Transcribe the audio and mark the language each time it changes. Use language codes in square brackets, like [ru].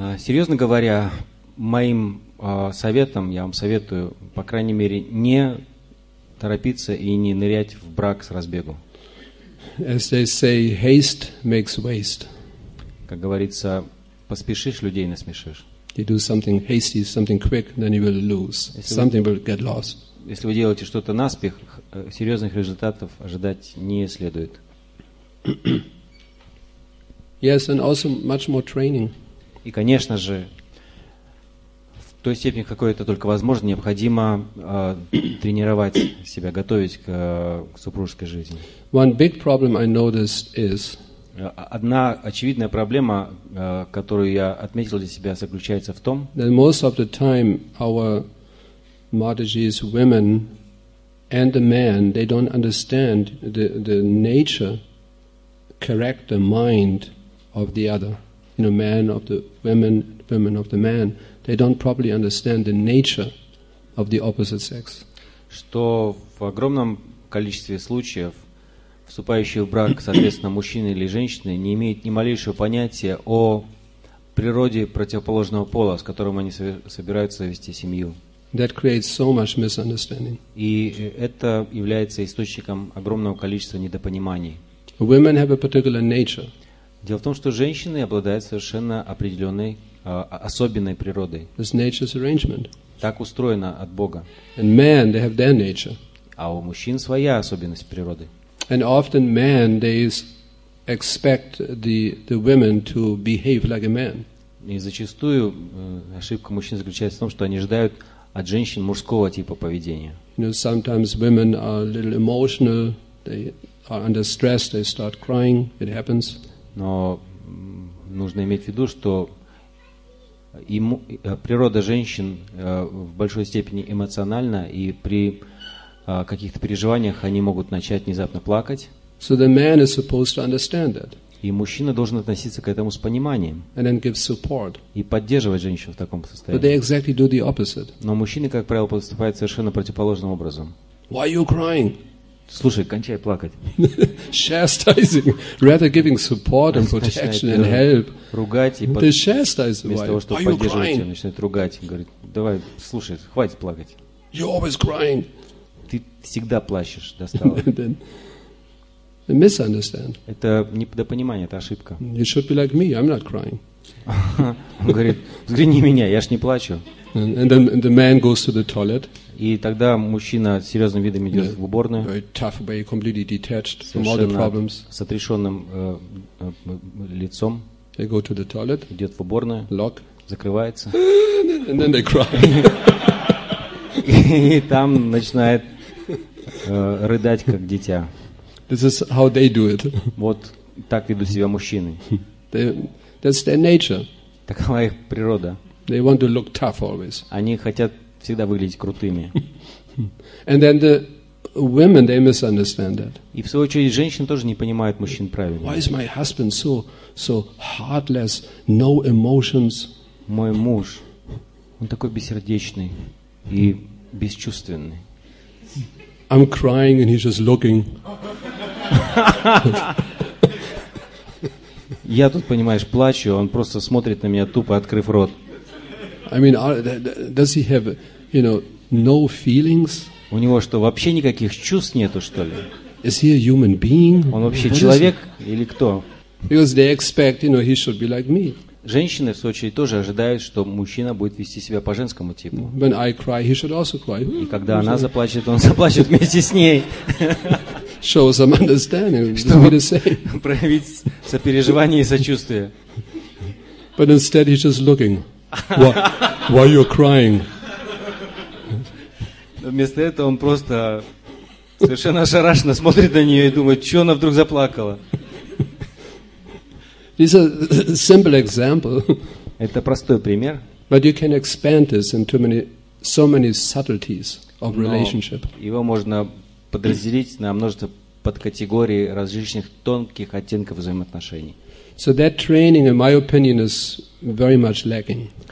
[ru] Серьезно говоря, моим советом я вам советую, по крайней мере, не торопиться и не нырять в брак с разбегу. [en] As they say, haste makes waste. [ru] Как говорится, поспешишь, людей насмешишь. [en] You do something hasty, something quick, then you will lose. Something will get lost. [ru] Если вы делаете что-то наспех, серьезных результатов ожидать не следует. [en] Yes, and also much more training. [ru] И, конечно же, в той степени, какой это только возможно, необходимо тренировать себя, готовить к супружеской жизни. [en] One big problem I noticed is [ru] одна очевидная проблема, которую я отметил для себя, заключается в том, [en] that most of the time our Mataji's women and the men, they don't understand the nature, character, mind of the other. You know, man of the women, women of the man, they don't properly understand the nature of the opposite sex. [ru] Что в огромном количестве случаев вступающие в брак, соответственно, мужчины или женщины, не имеют ни малейшего понятия о природе противоположного пола, с которым они собираются вести семью. [en] That creates so much misunderstanding. [ru] И это является источником огромного количества недопониманий. [en] Women have a particular nature. [ru] Дело в том, что женщины обладают совершенно определенной, особенной природой. [en] This nature's arrangement. [ru] Так устроено от Бога. [en] And men, they have their nature. [ru] А у мужчин своя особенность природы. [en] And often men, they expect the women to behave like a man. [ru] И зачастую ошибка мужчин заключается в том, что они ожидают от женщин мужского типа поведения. [en] You know, sometimes women are a little emotional, they are under stress, they start crying, it happens. [ru] Но нужно иметь в виду, что природа женщин в большой степени эмоциональна, и при каких-то переживаниях они могут начать внезапно плакать. [en] So the man is supposed to understand that. [ru] И мужчина должен относиться к этому с пониманием. [en] And then give support. [ru] И поддерживать женщину в таком состоянии. [en] But they exactly do the opposite. [ru] Но мужчины, как правило, поступают совершенно противоположным образом. [en] Why are you crying? [ru] Слушай, кончай плакать. [en] Chastising, rather giving support and protection and help. [ru] Ругать и подчеркивать. Вместо того, чтобы поддерживать ее, начинает ругать. Говорит, давай, слушай, хватит плакать. [en] You're always crying. [ru] Ты всегда плачешь, достало. [en] Then, they misunderstand. [ru] Это недопонимание, это ошибка. [en] You should be like me, I'm not crying. [ru] Он говорит, взгляни меня, я ж не плачу. [en] And then the man goes to the toilet. [ru] И тогда мужчина с серьезным видом идет в уборную. [en] Very tough way, completely detached from all the problems. [ru] С отрешенным лицом. [en] They go to the toilet. [ru] Идет в уборную. [en] Lock. [ru] Закрывается. [en] And then they cry. [ru] И там начинает рыдать как дитя. [en] This is how they do it. [ru] Вот так ведут себя мужчины. [en] That's their nature. [ru] Такова их природа. [en] They want to look tough always. [ru] Они хотят всегда выглядеть крутыми. [en] And then the women, they misunderstand that. [ru] И в свою очередь женщины тоже не понимают мужчин правильно. [en] Why is my husband so heartless, no emotions? [ru] Мой муж, он такой бессердечный и бесчувственный. [en] I'm crying and he's just looking. [ru] Я тут, понимаешь, плачу, он просто смотрит на меня тупо, открыв рот. [en] I mean, does he have, you know, no feelings? [ru] У него что, вообще никаких чувств нету, что ли? [en] Is he a human being? [ru] Он вообще человек или кто? [en] Because they expect, you know, he should be like me. [ru] Женщины, в свою очередь, тоже ожидают, что мужчина будет вести себя по женскому типу. [en] When I cry, he should also cry. [ru] И когда она заплачет, он заплачет вместе с ней. [en] Show some understanding. [ru] Чтобы [en] the same. [ru] Проявить сопереживание и сочувствие. [en] But instead he's just looking. Why are you crying? [ru] Вместо этого он просто совершенно ошарашенно смотрит на нее и думает, что она вдруг заплакала. [en] This is a simple example. [ru] Это простой пример. [en] But you can expand this into many, so many subtleties of relationship. [ru] Его можно подразделить на множество подкатегорий различных тонких оттенков взаимоотношений. [en] So that training, in my opinion, is very much lacking.